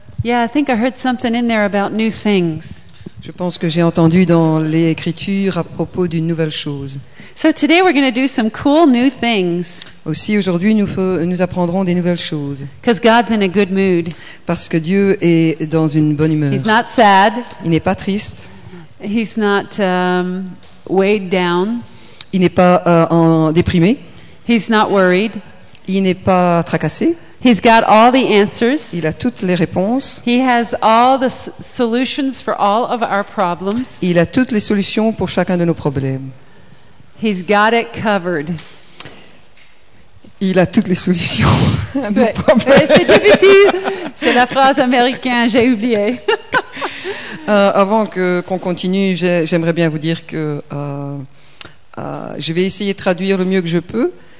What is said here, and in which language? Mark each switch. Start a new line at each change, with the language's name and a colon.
English: Yeah, I think I heard something in there about new things.
French: Je pense que j'ai entendu dans l'Écriture à propos d'une nouvelle chose.
English: So today we're going to do some cool new things.
French: Aussi aujourd'hui nous apprendrons des nouvelles choses.
English: Because God's in a good mood.
French: Parce que Dieu est dans une bonne humeur.
English: He's not sad.
French: Il n'est pas triste.
English: He's not weighed down.
French: Il n'est pas déprimé.
English: He's not worried.
French: Il n'est pas tracassé.
English: He's got all the answers.
French: Il a toutes les réponses.
English: He has all the solutions for all of our problems.
French: Il a toutes les solutions pour chacun de nos problèmes.
English: He's got it covered.
French: Il a toutes les solutions à nos problèmes. C'est difficile. C'est la phrase américaine, j'ai oublié. Avant qu'on continue, j'aimerais bien vous dire que je vais essayer de traduire le mieux que je peux.